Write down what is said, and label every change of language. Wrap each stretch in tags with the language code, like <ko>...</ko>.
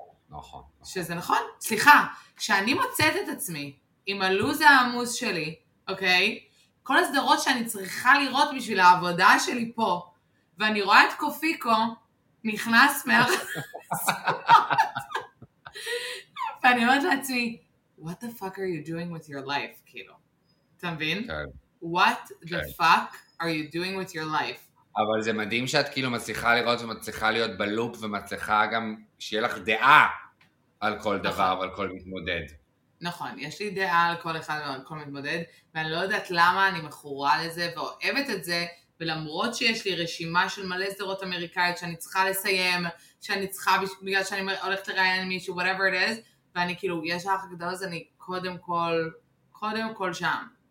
<he>נכון. שזה נכון? סליחה, כשאני מוצאת את עצמי עם הלוז העמוס שלי, אוקיי, כל הסדרות שאני צריכה לראות בשביל העבודה שלי פה, ואני רואה את קופיקו, נכנס מהרצינות. ואני אומרת לעצמי,</he> <en>what the fuck are you doing with your life,</en> <he>כאילו. אתה מבין?</he> <en>What the fuck are you doing with your life?</en> <he>אבל זה מדהים שאת כאילו מצליחה לראות ומצליחה להיות בלופ, ומצליחה גם שיהיה לך דעה על כל דבר ועל כל מתמודד. נכון, יש לי דעה על כל אחד ועל כל מתמודד, ואני לא יודעת למה אני מכורה לזה ואוהבת את זה, ולמרות שיש לי רשימה של מלא סדרות אמריקאיות שאני צריכה לסיים, שאני צריכה בגלל שאני הולכת לראיין מישהו,</he> <en>whatever it is,</en> <he>ואני כאילו, יש האח הגדול, אז אני קודם כל שם.</he>